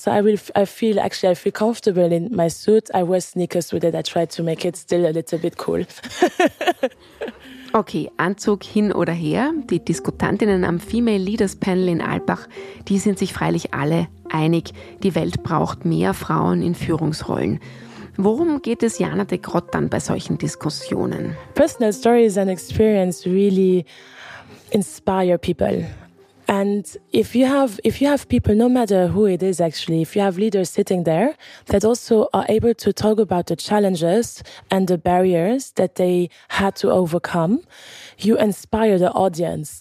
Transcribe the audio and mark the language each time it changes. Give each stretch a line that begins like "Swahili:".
English: So I feel comfortable in my suit. I wear sneakers with it. I try to make it still a little bit cool.
German: Okay, Anzug hin oder her, die Diskutantinnen am Female Leaders Panel in Alpbach, die sind sich freilich alle einig, die Welt braucht mehr Frauen in Führungsrollen. Worum geht es Jana de Grot dann bei solchen Diskussionen?
English: Personal stories and experience really inspire people. And if you have people, no matter who it is actually, if you have leaders sitting there that also are able to talk about the challenges and the barriers that they had to overcome, you inspire the audience.